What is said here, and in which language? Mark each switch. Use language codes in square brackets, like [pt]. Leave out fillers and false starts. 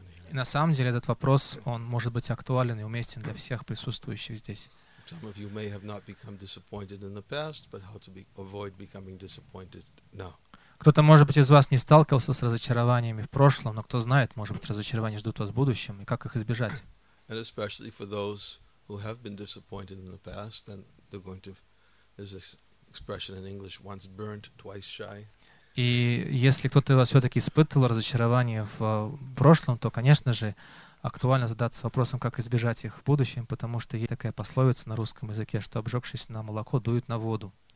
[ru] И на самом деле этот вопрос, он может быть актуален и уместен для всех присутствующих здесь. [en] Some of you may have not become disappointed in the past, but how to avoid becoming disappointed now. [ru] Кто-то, может быть, из вас не сталкивался с разочарованиями в прошлом, но кто знает, может быть, разочарования ждут вас в будущем, и как их избежать? [en] And especially for those who have been disappointed in the past, then they're going to, there's this expression in English, once burnt, twice shy. [ru] И если кто-то из вас все-таки испытывал разочарование в прошлом, то, конечно же, актуально задаться вопросом, как избежать их в будущем, потому что есть такая пословица на русском языке, что обжегшись на молоко, дует на воду.